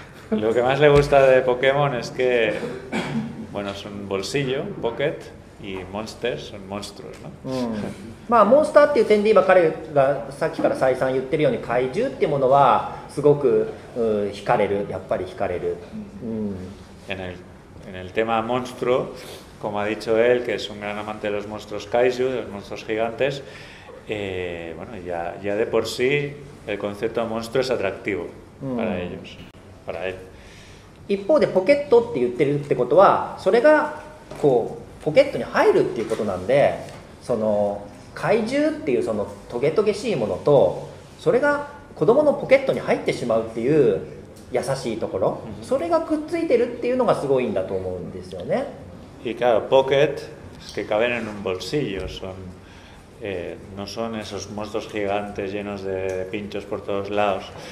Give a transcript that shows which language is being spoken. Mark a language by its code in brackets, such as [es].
[es] Lo que más le gusta de Pokémon es que, bueno, es un bolsillo, pocket, y monsters son monstruos, ¿no? [ja] まあ、モンスターっていう点で今彼がさっきから再三言ってるように怪獣ってものはすごく惹かれる、やっぱり惹かれる。 [es] En el tema monstruo, como ha dicho él, que es un gran amante de los monstruos kaiju, de los monstruos gigantes, bueno, ya de por sí el concepto de monstruo es atractivo. Para ellos, para él. [ja] 一方でポケットって言ってるってことはそれがこうポケットに入るっていうことなんでその怪獣っていうそのトゲトゲしいものとそれが子供のポケットに入ってしまうっていう優しいところ、うん、それがくっついてるっていうのがすごいんだと思うんですよね。 [es] Y claro, pocket es que caben en un bolsillo, son, no son esos monstruos gigantes llenos de pinchos por todos lados.